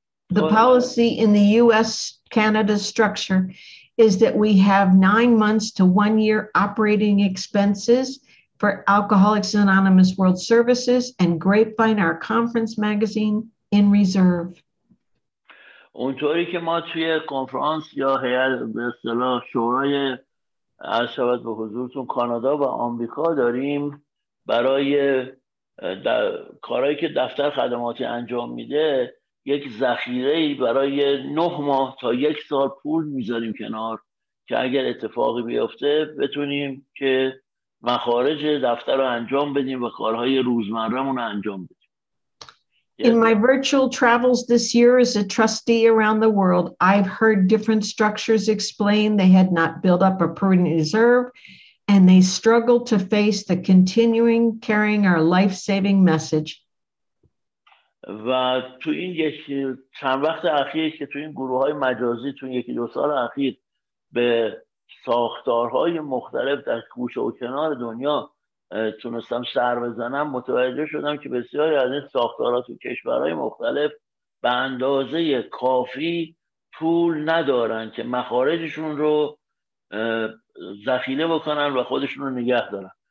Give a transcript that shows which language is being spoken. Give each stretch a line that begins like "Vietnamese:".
English: The policy in the U.S.-Canada structure is that we have 9 months to 1 year operating expenses for Alcoholics Anonymous World Services and Grapevine, our conference magazine, in reserve.
Persian: اونطوری که ما توی کنفرانس یا هیئت به اصطلاح شورای عرشبت به حضورتون کانادا و آمریکا داریم، برای کارهایی که دفتر خدماتی انجام میده یک ذخیره‌ای برای 9 ماه تا 1 سال پول میذاریم کنار که اگر اتفاقی بیفته بتونیم که مخارج دفتر رو انجام بدیم و کارهای روزمرمون رو انجام بدیم.
English: In my virtual travels this year as a trustee around the world, I've heard different structures explain they had not built up a prudent reserve and they struggled to face the continuing carrying our life-saving message.
Persian: و تو این یکی چند وقت اخیر که تو این گروه های مجازی تو یکی دو سال اخیر به ساختارهای مختلف در گوشه و کنار دنیا تونستم سر بزنم متوجه شدم که بسیاری از این ساختارات و کشورهای مختلف به اندازه کافی پول ندارن که مخارجشون رو ذخیره بکنن و خودشون رو نگه دارن.